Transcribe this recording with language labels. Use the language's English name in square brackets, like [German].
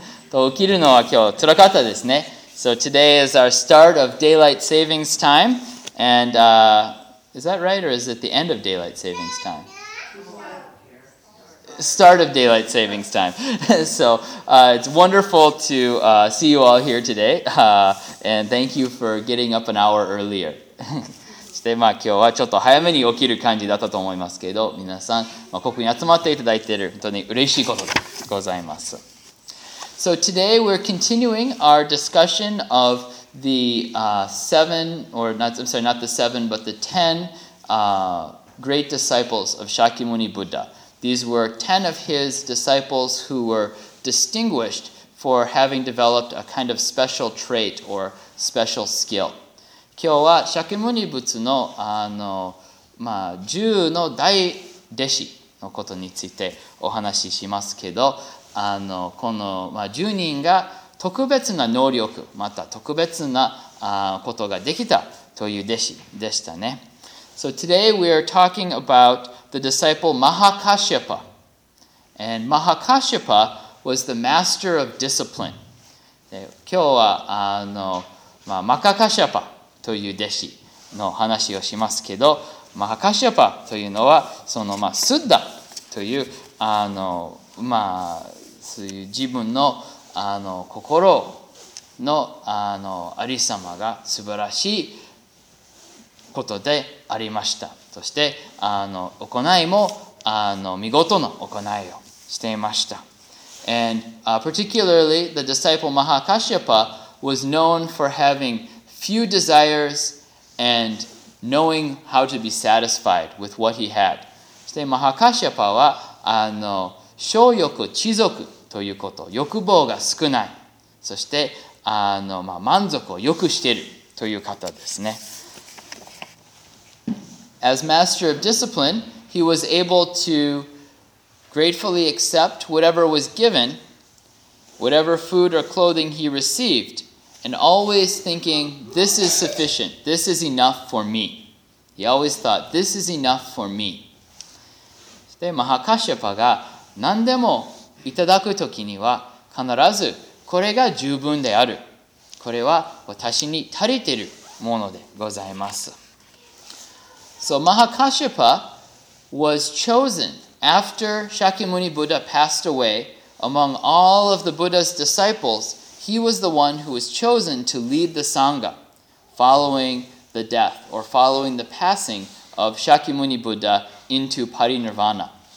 [Japanese] と起きるのは今日辛かったですね。 [English] So today is our start of daylight savings time, and is that right, or is it the end of daylight savings time? Start of daylight savings time. So it's wonderful to see you all here today, and thank you for getting up an hour earlier. [Japanese] そして、まあ、今日はちょっと早めに起きる感じだったと思いますけど、皆さん、まあ、ここに集まっていただいている本当に嬉しいことでございます。 [English] So today we're continuing our discussion of the ten great disciples of Shakyamuni Buddha. These were 10 of his disciples who were distinguished for having developed a kind of special trait or special skill. [Japanese] 今日は Shakyamuni Buddha の10の大弟子のことについてお話ししますけど、10人が特別な能力、また特別なことができたという弟子でしたね。 [English] So today we are talking about the disciple Mahakashyapa. And Mahakashyapa was the master of discipline. [Japanese] で今日はマカカシャパという弟子の話をしますけど、マハカシャパというのは、その、スッダという、そういう自分の心のありさまが素晴らしいことでありました。そして行いも見事な行いをしていました。 [English] And particularly the disciple Mahakashyapa was known for having few desires and knowing how to be satisfied with what he had. [Japanese] そしてマハカシャパは性欲知足ということ、欲望が少ない、そして満足をよくしているという方ですね。 [English] As master of discipline, he was able to gratefully accept whatever was given, whatever food or clothing he received, and always thinking, this is sufficient, this is enough for me. He always thought, this is enough for me. [Japanese] そしてマハカシャパが何でもいただくときには必ずこれが十分である、これは私に足りているものでございます。 [English] So Mahakashyapa was chosen after Shakyamuni Buddha passed away Among all of the Buddha's disciples, he was the one who was chosen to lead the Sangha following the death or following the passing of Shakyamuni Buddha into Parinirvana.